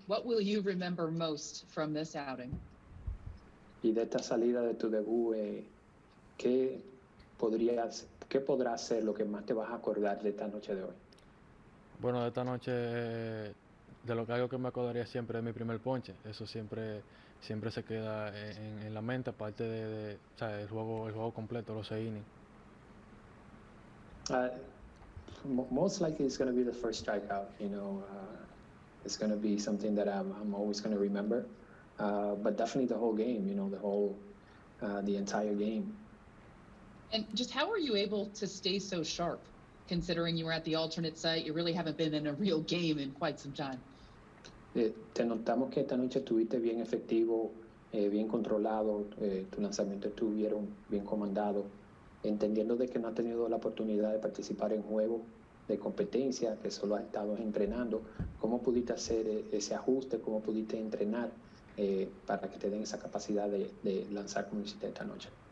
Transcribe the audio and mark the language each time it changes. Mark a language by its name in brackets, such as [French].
[English] What will you remember most from this outing? [Spanish] Y de esta salida de tu debut, ¿qué podrá ser lo que más te vas a acordar de esta noche de hoy? Bueno, de esta noche, de lo que hago que me acordaría siempre es mi primer ponche. Eso siempre se queda en la mente, aparte de o sea, el juego completo, los seis innings. [English] Most likely it's going to be the first strikeout, you know. It's going to be something that I'm always going to remember. But definitely the whole game, you know, the entire game. And just how are you able to stay so sharp, considering you were at the alternate site? You really haven't been in a real game in quite some time. [Spanish] Te notamos que esta noche estuviste bien efectivo, bien controlado, tu lanzamiento estuvieron bien comandado, entendiendo de que no has tenido la oportunidad de participar en juegos de competencia, que solo has estado entrenando. ¿Cómo pudiste hacer ese ajuste? ¿Cómo pudiste entrenar para que te den esa capacidad de lanzar como hiciste esta noche?